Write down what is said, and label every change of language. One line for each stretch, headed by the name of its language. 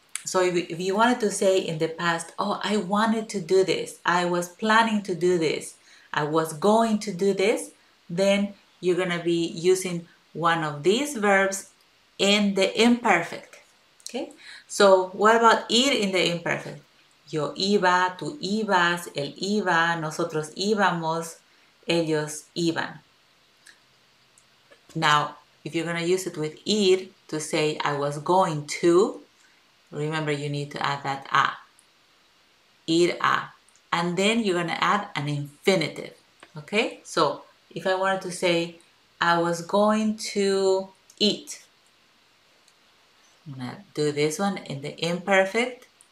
English: So if you wanted to say in the past, oh, I wanted to do this, I was planning to do this, I was going to do this, then you're going to be using one of these verbs in the imperfect. Okay? So what about ir in the imperfect?
Spanish: Yo iba, tú ibas, él iba, nosotros íbamos, ellos iban.
English: Now, if you're going to use it with ir to say I was going to, remember, you need to add that a, ir a, and then you're gonna add an infinitive. Okay, so if I wanted to say, I was going to eat, I'm gonna do this one in the imperfect.